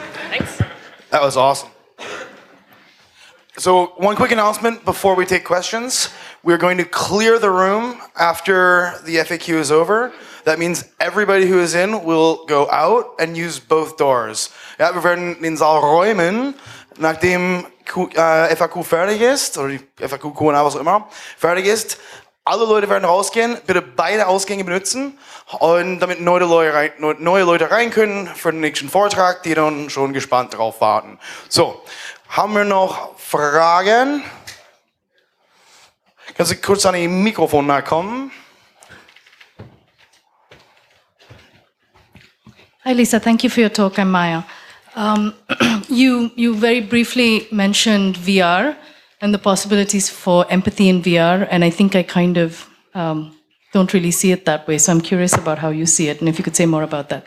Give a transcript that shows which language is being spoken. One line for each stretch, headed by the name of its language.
English: Thanks. That was awesome. So one quick announcement before we take questions. We're going to clear the room after the FAQ is over. That means everybody who is in will go out and use both doors.
German: Ja, wir werden den Saal räumen, nachdem FAQ fertig ist, oder die FAQ, Q&A, was auch immer, fertig ist. Alle Leute werden rausgehen, bitte beide Ausgänge benutzen, und damit neue Leute rein können für den nächsten Vortrag, die dann schon gespannt drauf warten. So, haben wir noch Fragen? Kannst du kurz an die Mikrofon nahe kommen?
English: Hi Lisa, thank you for your talk, I'm Maya. You very briefly mentioned VR. And the possibilities for empathy in VR, and I think I kind of don't really see it that way. So I'm curious about how you see it, and if you could say more about that.